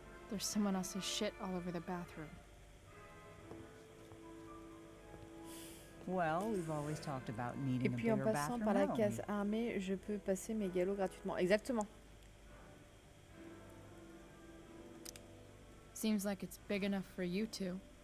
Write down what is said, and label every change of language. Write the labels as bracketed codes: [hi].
[en] There's someone else's shit all over the bathroom. Well, we've always talked about needing a bigger bathroom. [fr] Et puis en passant par la case armée, je peux passer mes galops gratuitement. Exactement. [en] Seems like it's big enough for you two.